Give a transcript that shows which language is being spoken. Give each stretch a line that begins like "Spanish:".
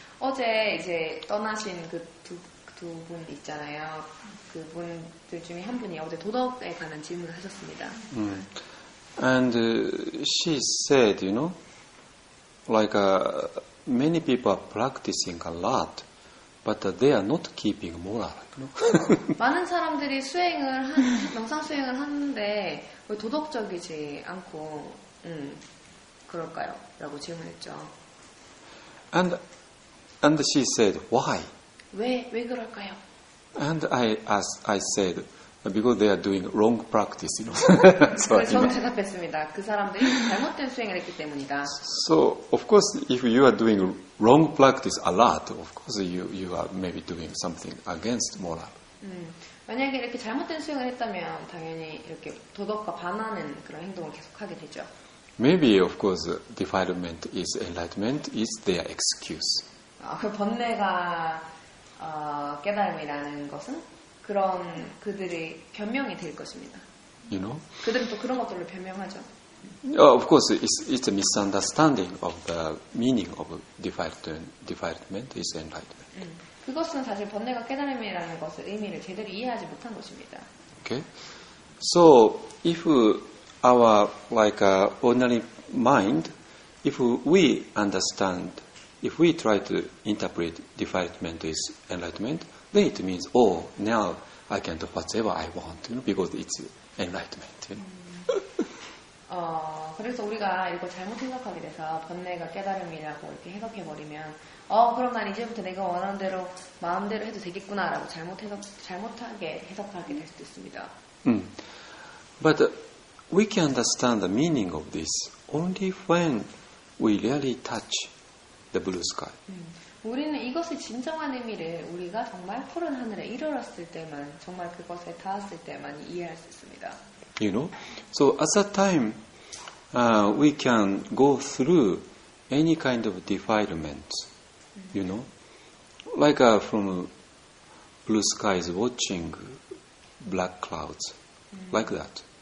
Korean: 어제 이제 떠나신 두 분 있잖아요. 그 분들 중에 한 분이 어제 도덕에 관한 질문을 하셨습니다.
English: And she said, you know, like many people are practicing a lot, but they are not keeping moral. You know?
Korean: 많은 사람들이 수행을 한 명상 수행을 하는데 왜 도덕적이지 않고 그럴까요?라고 질문했죠.
English: And she said, why?
Korean: 왜 그럴까요?
English: And I said because they are doing wrong practice, you know.
Korean: So 저는 대답했습니다. 그 사람들이 잘못된 수행을 했기 때문이다.
English: So of course, if you are doing wrong practice a lot, of course you are maybe doing something against moral.
Korean: 만약에 이렇게 잘못된 수행을 했다면 당연히 이렇게 도덕과 반하는 그런 행동을 계속하게 되죠.
English: Maybe of course, defilement is enlightenment is their excuse.
Korean: 그 번뇌가 깨달음이라는 것은 그런 그들의 변명이 될 것입니다.
English: You know?
Korean: 그들은 또 그런 것들로 변명하죠.
English: Of course, it's a misunderstanding of the meaning of defilement is enlightenment.
Korean: 그것은 사실 번뇌가 깨달음이라는 것을 의미를 제대로 이해하지 못한 것입니다.
English: Okay. So if our like ordinary mind, if we understand. If we try to interpret defilement as enlightenment, then it means, oh, now I can do whatever I want, you know, because it's enlightenment. You know?
Korean: 그래서 우리가 이걸 잘못 생각하게 돼서 번뇌가 깨달음이라고 이렇게 해석해 버리면, 그럼 난 이제부터 내가 원하는 대로 마음대로 해도 되겠구나라고 잘못하게 해석하게 될 수도 있습니다.
English: But we can understand the meaning of this only when we really touch. The blue sky.
Korean: 우리는 이것의 진정한 의미를 우리가 정말 푸른 하늘에 이르렀을 때만, 정말 그것에 닿았을 때만 이해할 수 있습니다.
English: You know, so at that time, we can go through any kind of defilement. You know, like from blue skies watching black clouds, like that.